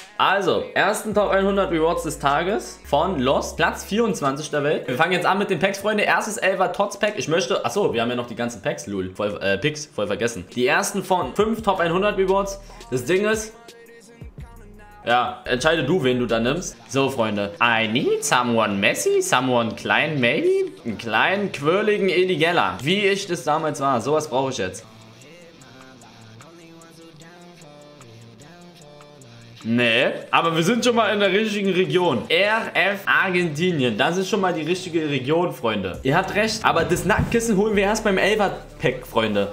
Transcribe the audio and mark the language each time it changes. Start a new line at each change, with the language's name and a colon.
German: Also, ersten Top 100 Rewards des Tages von Lost. Platz 24 der Welt. Wir fangen jetzt an mit den Packs, Freunde. Erstes Elver Tots Pack. Ich möchte... Achso, wir haben ja noch die ganzen Packs. Lul. Picks. Voll vergessen. Die ersten von 5 Top 100 Rewards. Das Ding ist, ja, entscheide du, wen du da nimmst. So, Freunde.
English: I need someone messy, someone klein, maybe?
German: Einen kleinen, quirligen Eli Geller. Wie ich das damals war. Sowas brauche ich jetzt. Nee, aber wir sind schon mal in der richtigen Region. RF Argentinien. Das ist schon mal die richtige Region, Freunde. Ihr habt recht, aber das Nacktkissen holen wir erst beim Elfer-Pack, Freunde.